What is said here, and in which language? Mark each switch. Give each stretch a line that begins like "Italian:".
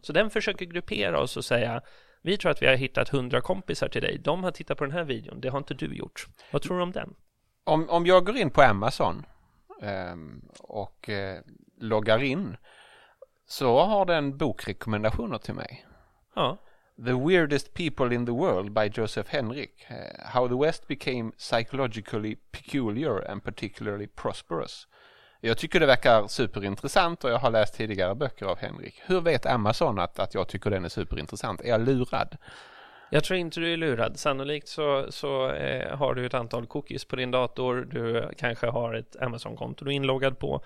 Swedish: Så den försöker gruppera oss och säga, vi tror att vi har hittat 100 kompisar till dig. De har tittat på den här videon, det har inte du gjort. Vad tror du om den? Om jag går in på Amazon och loggar in, så har den bokrekommendationer till mig. Ja.
English: The Weirdest People in the World by Joseph Henrich. How the West Became Psychologically Peculiar and Particularly Prosperous.
Swedish: Jag tycker det verkar superintressant och jag har läst tidigare böcker av Henrich. Hur vet Amazon att jag tycker den är superintressant? Är jag lurad? Jag tror inte du är lurad. Sannolikt så har du ett antal cookies på din dator. Du kanske har ett Amazon-konto du är inloggad på.